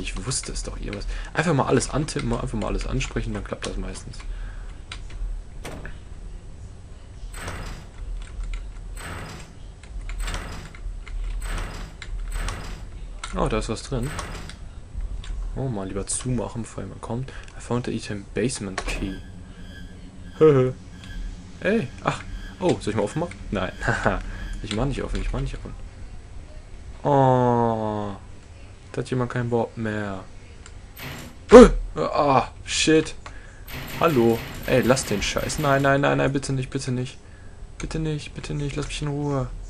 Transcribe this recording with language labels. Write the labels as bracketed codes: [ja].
[de] Ich wusste es doch irgendwas. Einfach mal alles antippen, einfach mal alles ansprechen, dann klappt das meistens. Oh, da ist was drin. Oh, mal lieber zumachen, bevor jemand kommt. [en] I found the item basement key. Ey, ach. [de] Oh, soll ich mal offen machen? Nein. Ich mach nicht offen, ich mach nicht offen. Oh. Da hat jemand keinen Bock mehr. Ah, shit. Hallo. Ey, lass den Scheiß. Nein, nein, nein, nein, bitte nicht, bitte nicht. Bitte nicht, bitte nicht. Lass mich in Ruhe.